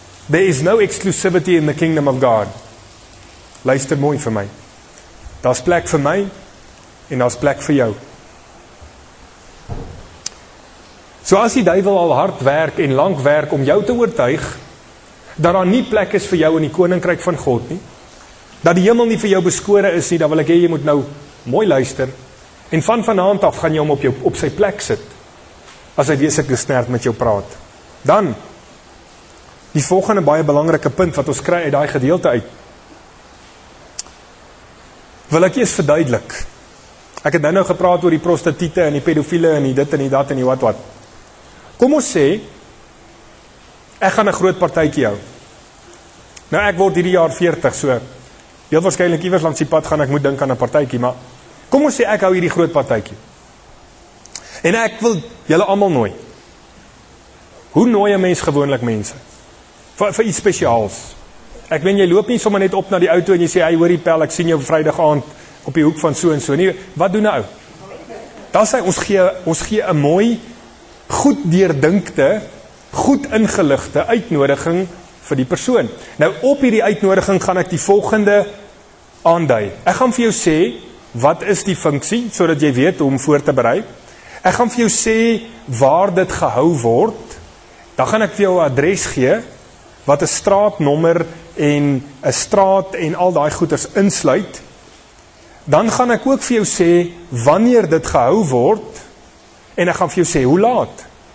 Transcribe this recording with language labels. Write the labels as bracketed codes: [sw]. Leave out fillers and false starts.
[en] There is no exclusivity in the kingdom of God. [af] Luister mooi vir my. Daar's plek vir my en daar's plek vir jou. So as die duivel al hard werk en lank werk om jou te oortuig dat daar nie plek is vir jou in die koninkryk van God nie, dat die hemel nie vir jou beskore is nie, dan wil ek hê jy moet nou mooi luister en van vanaand af gaan jy hom op sy plek sit as hy weer sulke snert met jou praat. Dan die volgende baie belangrike punt wat ons kry uit daai gedeelte uit, wil ek eers verduidelik. Ek het nou gepraat oor die prostituie en die pedofiele en die dit en die dat en die wat wat. Kom ons sê, ek gaan 'n groot partytjie hou. Nou ek word hierdie jaar 40, so heel waarskynlik iewers langs die pad gaan ek moet dink aan 'n partytjie, maar kom ons sê ek hou hierdie groot partytjie. En ek wil julle almal nooi. Hoe nooi 'n mens gewoonlik mense? Vir iets spesiaals. Ek meen, jy loop nie sommer net op na die auto en jy sê, hey, hoor die pel, ek sien jou vrydag aand op die hoek van so en so. Nee, wat doen nou? Dan sê, ons gee een mooi, goed deurdinkte, goed ingeligte uitnodiging vir die persoon. Nou, op hierdie uitnodiging gaan ek die volgende aandui. Ek gaan vir jou sê, wat is die funksie, sodat jy weet om voor te berei. Ek gaan vir jou sê, waar dit gehou word. Dan gaan ek vir jou adres gee, wat 'n straatnommer en 'n straat en al daai goeders insluit, dan gaan ek ook vir jou sê wanneer dit gehou word en ek gaan vir jou sê hoe laat.